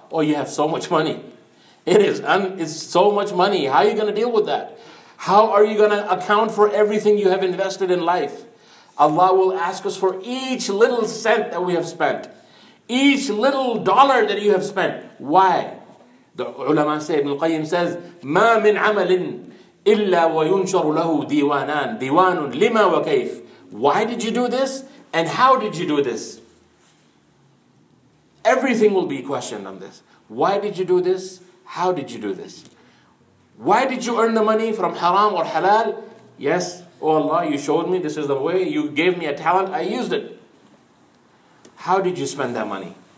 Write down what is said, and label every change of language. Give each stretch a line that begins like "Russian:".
English: Oh, you have so much money. It's so much money. How are you going to deal with that? How are you going to account for everything you have invested in life? Allah will ask us for each little cent that we have spent. Each little dollar that you have spent. Why? The ulama say,
Arabic: Ibn al-Qayyim says, مَا مِنْ عَمَلٍ إِلَّا وَيُنْشَرُ لَهُ دِيوَانًا دِيوَانٌ لِمَا وَكَيْفٌ.
English: Why did you do this? And how did you do this? Everything will be questioned on this. Why did you do this? How did you do this? Why did you earn the money from haram or halal? Yes, oh Allah, you showed me this is the way. You gave me a talent, I used it. How did you spend that money?